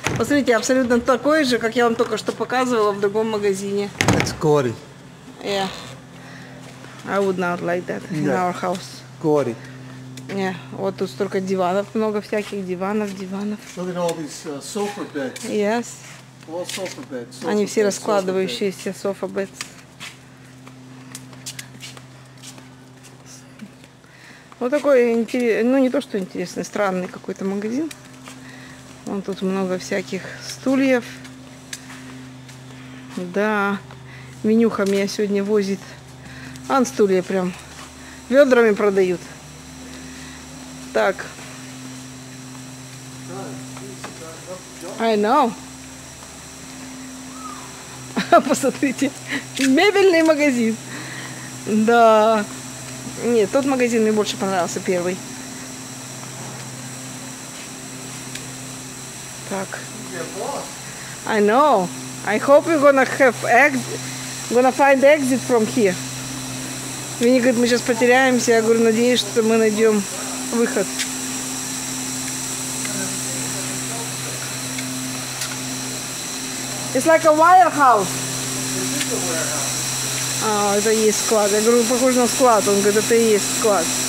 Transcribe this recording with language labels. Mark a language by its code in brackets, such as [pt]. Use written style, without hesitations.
[ru] Посмотрите, абсолютно такой же, как я вам только что показывала в другом магазине. [en] It's gory. Yeah. I would not like that in our house. Gory. Yeah. [ru] Вот тут столько диванов, много всяких диванов, диванов. [en] Look at all these sofa beds. Yes. All sofa beds. Sofa [ru] Они все bed, раскладывающиеся sofa beds. Вот такой интересный, ну не то что интересный, странный какой-то магазин. Вон тут много всяких стульев. Да, Менюха меня сегодня возит. Ан стулья прям ведрами продают. Так. [en] I know. [ru] Посмотрите, мебельный магазин. Да. Нет, тот магазин мне больше понравился, первый. Так. [en] I know. I hope we're gonna have gonna find exit from here. [ru] Винни говорит, мы сейчас потеряемся. Я говорю, надеюсь, что мы найдем выход. [en] It's like a warehouse. [ru] А, это и есть склад. Я говорю, похоже на склад. Он говорит, это и есть склад.